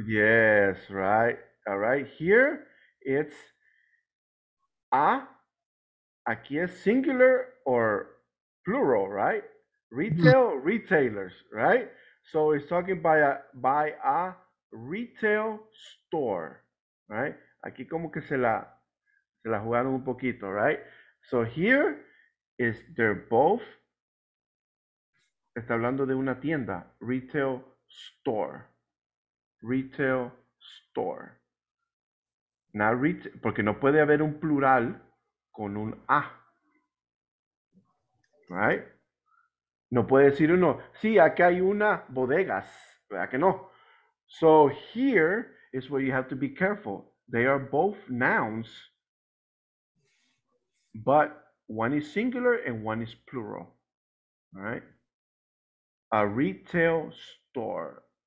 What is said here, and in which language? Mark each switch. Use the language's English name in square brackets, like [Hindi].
[English] Yes, right. All right. Here it's a. [Spanish] Aquí es singular [English] or plural, right? Retail, retailers, right? So it's talking by a retail store, right? [Spanish] Aquí como que se la jugaron un poquito, [English] right? So here is they're both, [Spanish] está hablando de una tienda, [English] retail store. Not retail, [Spanish] porque no puede haber un plural con un a, [English] right? [Spanish] No puede decir uno, sí, acá hay una bodegas, ¿verdad que no? [English] So here is where you have to be careful. They are both nouns, but one is singular and one is plural, all right? A retail store.